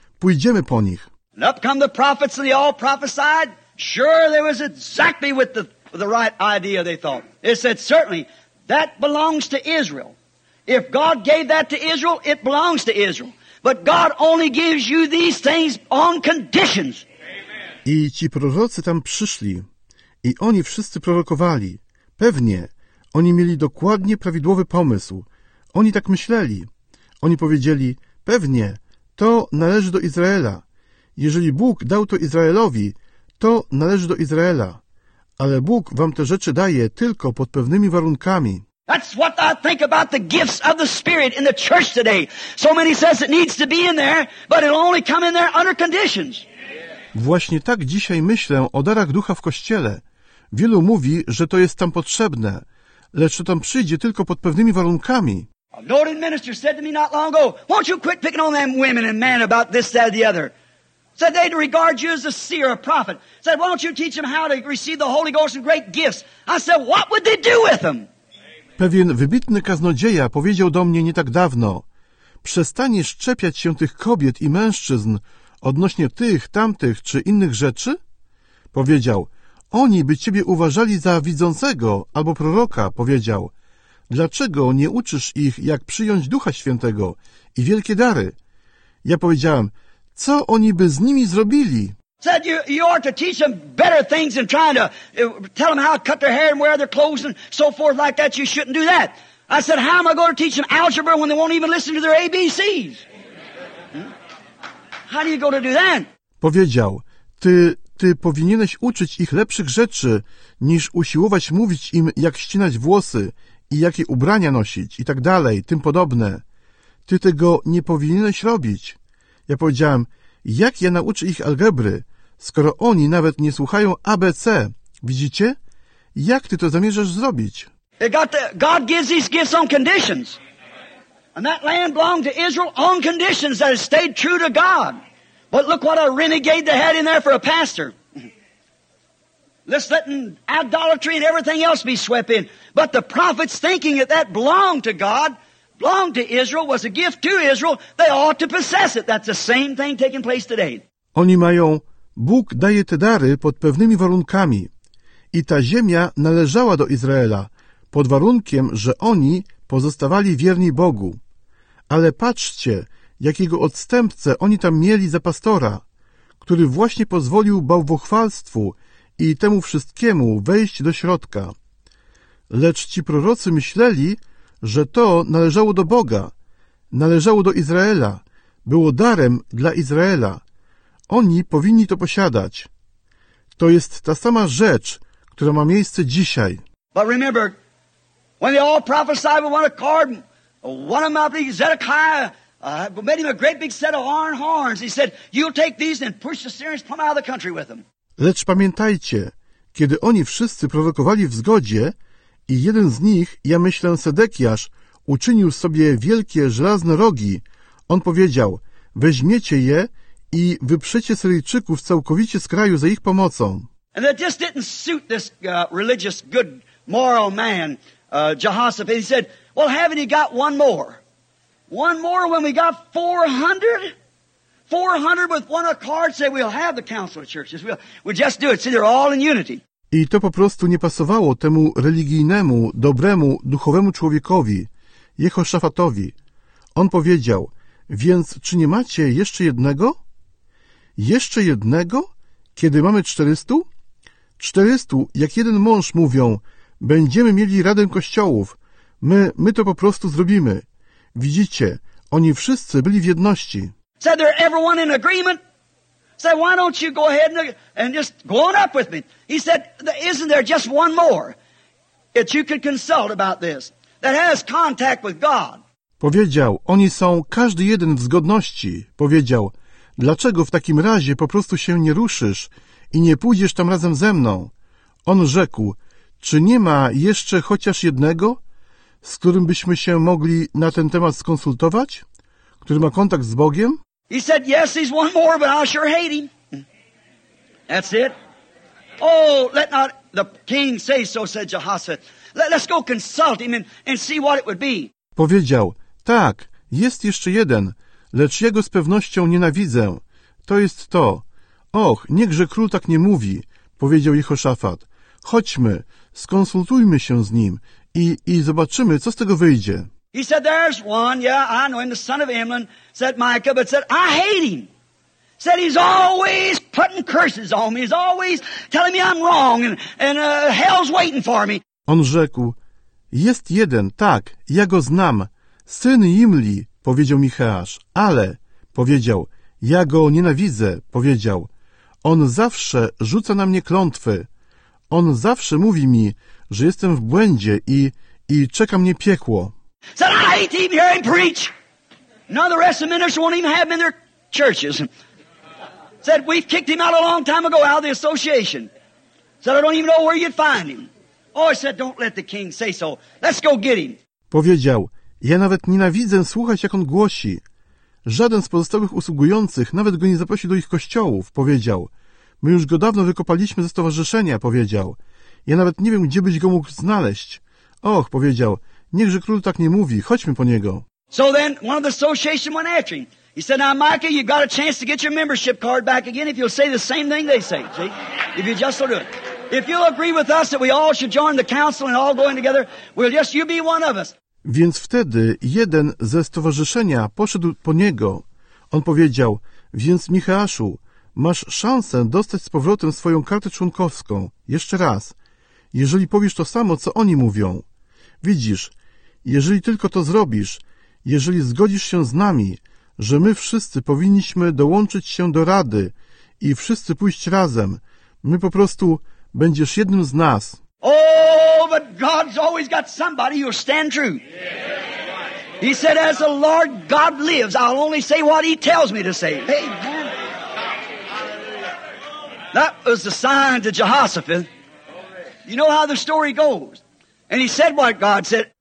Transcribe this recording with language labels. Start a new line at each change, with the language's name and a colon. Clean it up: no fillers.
Polish: Pójdziemy po nich.
English: And up come the prophets and they all prophesied. Sure, there was exactly with the right idea they thought. They said, certainly, that belongs to Israel. If God gave that to Israel, it belongs to Israel. But God only gives you these things on conditions.
Polish: I ci prorocy tam przyszli i oni wszyscy prorokowali. Pewnie oni mieli dokładnie prawidłowy pomysł. Oni tak myśleli. Oni powiedzieli, pewnie to należy do Izraela. Jeżeli Bóg dał to Izraelowi, to należy do Izraela. Ale Bóg wam te rzeczy daje tylko pod pewnymi warunkami.
English: That's what I think about the gifts of the Spirit in the church today. So many says it needs to be in there, but it'll only come in there under conditions.
Polish: Właśnie tak dzisiaj myślę o darach ducha w Kościele. Wielu mówi, że to jest tam potrzebne, lecz to tam przyjdzie tylko pod pewnymi warunkami.
English: A noted minister said to me not long ago, won't you quit picking on them women and men about this, that, the other? Said they'd regard you as a seer, a prophet. Said, won't you teach them how to receive the Holy Ghost and great gifts? I said, what would they do with them?
Polish: Pewien wybitny kaznodzieja powiedział do mnie nie tak dawno, przestaniesz czepiać się tych kobiet i mężczyzn odnośnie tych, tamtych czy innych rzeczy? Powiedział, oni by ciebie uważali za widzącego albo proroka, powiedział, dlaczego nie uczysz ich, jak przyjąć Ducha Świętego i wielkie dary? Ja powiedziałem, co oni by z nimi zrobili?
English: Said you ought to teach them better things than trying to tell them how to cut their hair and wear their clothes and so forth like that. You shouldn't do that. I said, how am I going to teach them algebra when they won't even listen to their ABCs? How do you go to do that?
Polish: Powiedział, ty powinieneś uczyć ich lepszych rzeczy niż usiłować mówić im, jak ścinać włosy i jakie ubrania nosić i tak dalej, tym podobne. Ty tego nie powinieneś robić. Ja powiedziałem, jak ja nauczę ich algebry, skoro oni nawet nie słuchają ABC? Widzicie? Jak ty to zamierzasz zrobić?
English: God gives these gifts on conditions. And that land belonged to Israel on conditions that it stayed true to God. But look what a renegade they had in there for a pastor. Let's let idolatry and everything else be swept in. But the prophets thinking that belonged to God, belonged to Israel, was a gift to Israel, they ought to possess it. That's the same thing taking place today.
Polish: Oni mają, Bóg daje te dary pod pewnymi warunkami. I ta ziemia należała do Izraela, pod warunkiem, że oni pozostawali wierni Bogu. Ale patrzcie, jakiego odstępcę oni tam mieli za pastora, który właśnie pozwolił bałwochwalstwu i temu wszystkiemu wejść do środka. Lecz ci prorocy myśleli, że to należało do Boga, należało do Izraela, było darem dla Izraela. Oni powinni to posiadać. To jest ta sama rzecz, która ma miejsce dzisiaj.
English: But remember, when they all prophesied with one accord, one of them, Zedekiah, made him a great big set of iron horns. He said, you'll take these and push the Syrians plumb out of the country with them.
Polish: Lecz pamiętajcie, kiedy oni wszyscy prorokowali w zgodzie, i jeden z nich, ja myślę, Sedekiasz, uczynił sobie wielkie żelazne rogi. On powiedział, weźmiecie je i wyprzecie Syryjczyków całkowicie z kraju za ich pomocą.
English: And that just didn't suit this religious, good, moral man, Jehoshaphat. He said, well, haven't you got one more? One more when we got 400? 400 with one accord say we'll have the council of churches. We'll just do it. See, they're all in unity.
Polish: I to po prostu nie pasowało temu religijnemu, dobremu, duchowemu człowiekowi, Jehoszafatowi. On powiedział, więc czy nie macie jeszcze jednego? Jeszcze jednego? Kiedy mamy 400? 400, jak jeden mąż mówią, będziemy mieli radę kościołów. My to po prostu zrobimy. Widzicie, oni wszyscy byli w jedności.
English: Said they're everyone in agreement? Said, why don't you go ahead and just go on up with me? He said, isn't there just one more that you could consult about this, that has contact with God?
Polish: Powiedział, oni są każdy jeden w zgodności. Powiedział, dlaczego w takim razie po prostu się nie ruszysz i nie pójdziesz tam razem ze mną? On rzekł, czy nie ma jeszcze chociaż jednego, z którym byśmy się mogli na ten temat skonsultować, który ma kontakt z Bogiem?
English: He said, yes, he's one more, but I sure hate him. That's it. Oh, let not the king say so, said Jehoshaphat. Let's go consult him and see what it would be.
Polish: Powiedział, tak, jest jeszcze jeden, lecz ja go z pewnością nienawidzę. To jest to. Och, niechże król tak nie mówi, powiedział Jehoszafat. Chodźmy, skonsultujmy się z nim i zobaczymy, co z tego wyjdzie.
English: He said, there's one, yeah, I know him, the son of Imlan, said Micah, but said, I hate him. Said, he's always putting curses on me. He's always telling me I'm wrong and hell's waiting for me.
Polish: On rzekł, jest jeden, tak, ja go znam, syn Imli, powiedział Micheasz, ale, powiedział, ja go nienawidzę, powiedział, on zawsze rzuca na mnie klątwy, on zawsze mówi mi, że jestem w błędzie i czeka mnie piekło.
English: Said, I hate to even hear him preach. Now the rest of the ministers won't even have him in their churches. Said, we've kicked him out a long time ago out of the association. Said, I don't even know where you'd find him. Oh, I said, don't let the king say so. Let's go get him.
Polish: Powiedział, ja nawet nienawidzę słuchać, jak on głosi. Żaden z pozostałych usługujących nawet go nie zaprosi do ich kościołów, powiedział. My już go dawno wykopaliśmy ze stowarzyszenia, powiedział. Ja nawet nie wiem, gdzie byś go mógł znaleźć. Och, powiedział, niechże król tak nie mówi, chodźmy po niego.
English: So then one of the association went after him. He said, now, Micah, you've got a chance to get your membership card back again if you'll say the same thing they say, see? If you just will do it. If you'll agree with us that we all should join the council and all go in together, we'll just, you be one of us.
Polish: Więc wtedy jeden ze stowarzyszenia poszedł po niego. On powiedział, więc Micheaszu, masz szansę dostać z powrotem swoją kartę członkowską. Jeszcze raz. Jeżeli powiesz to samo, co oni mówią. Widzisz, jeżeli tylko to zrobisz, jeżeli zgodzisz się z nami, że my wszyscy powinniśmy dołączyć się do rady i wszyscy pójść razem, my po prostu będziesz jednym z nas.
English: Oh, but God's always got somebody who'll stand true. He said, as the Lord God lives, I'll only say what he tells me to say. Hey, that was the sign to Jehoshaphat. You know how the story goes. And he said what God said.